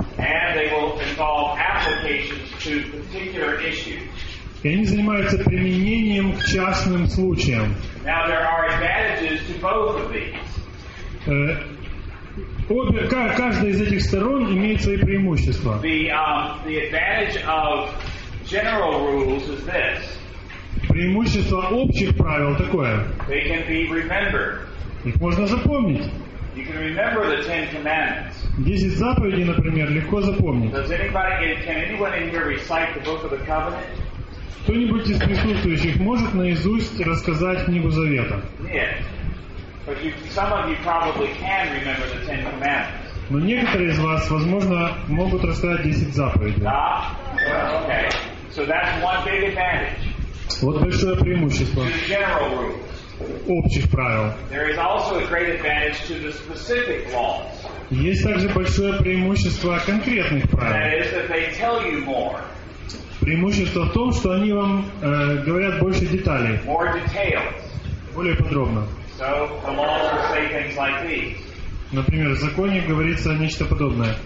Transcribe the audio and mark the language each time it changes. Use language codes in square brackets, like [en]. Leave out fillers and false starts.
[en] And they will involve applications to particular issues. [ru] И они занимаются применением к частным случаям. [en] Now there are advantages to both of these. [ru] Каждая из этих сторон имеет свои преимущества. [en] The advantage of general rules is this. [ru] Преимущество общих правил такое. [en] They can be remembered. [ru] Их можно запомнить. [en] You can remember the Ten Commandments. [ru] 10 заповедей, например, легко запомнить. [en] Does anybody, can anyone in here recite the Book of the Covenant? [ru] Кто-нибудь из присутствующих может наизусть рассказать Книгу Завета? Нет. [en] Some of you probably can remember the Ten Commandments. [ru] Но некоторые из вас, возможно, могут рассказать 10 заповедей. Да? [en] Well, okay. So that's one big advantage. [ru] Вот большое преимущество. [en] To general rules. [ru] Общих правил. [en] There is also a great advantage to the specific laws. [ru] Есть также большое преимущество конкретных правил. [en] That is that they tell you more. [ru] Преимущество в том, что они вам говорят больше деталей. [en] More details. [ru] Более подробно. [en] So, the laws will say things like these. [ru] Например, в законе говорится нечто подобное.